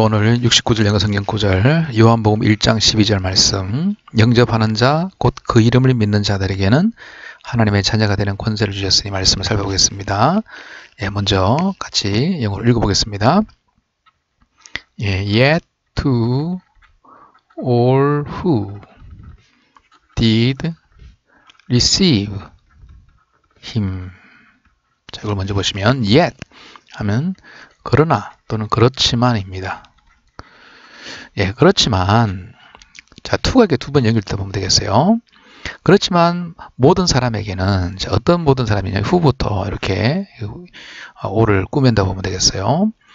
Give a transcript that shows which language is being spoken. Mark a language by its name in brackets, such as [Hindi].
[Korean] 오늘 69절 영어성경 구절 요한복음 1장 12절 말씀 영접하는 자, 곧그 이름을 믿는 자들에게는 하나님의 자녀가 되는 권세를 주셨으니 말씀을 살펴보겠습니다. 예, 먼저 같이 영어로 읽어보겠습니다. 예, [English] yet to all who did receive him. [Korean] 자, 이걸 먼저 보시면 yet 하면 그러나 또는 그렇지만입니다. 예, 그렇지만, 자, 투가 이렇게 두번 연결되어 보면 되겠어요. 그렇지만, 모든 사람에게는, 자, 어떤 모든 사람이냐, 후부터 이렇게, all을 꾸민다 보면 되겠어요.